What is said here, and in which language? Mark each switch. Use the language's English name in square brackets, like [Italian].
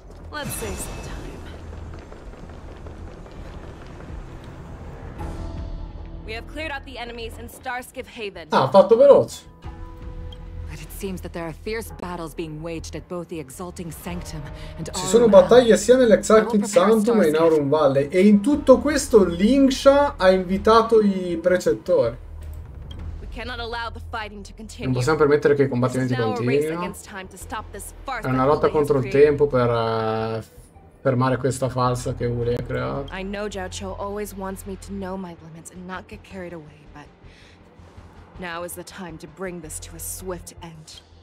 [English] Let's save some time. We have cleared out the enemies in Starskiff Haven. [Italian] Ah, fatto veloce. [English] But it seems that there are fierce battles being waged at both the Exalting Sanctum and [Italian] Aurum. Ci sono battaglie sia nell'Exalting Sanctum e in Aurum Valley. E in tutto questo Lingxia ha invitato i precettori. [English] We cannot allow the fighting to continue. [Italian] Non possiamo permettere che i combattimenti continuino. È una lotta contro il tempo per fermare questa farsa che Uli ha creato. [English] I know Zhao Qiu always wants me to know my limits and not get carried away. Now is the time to bring this to a swift end.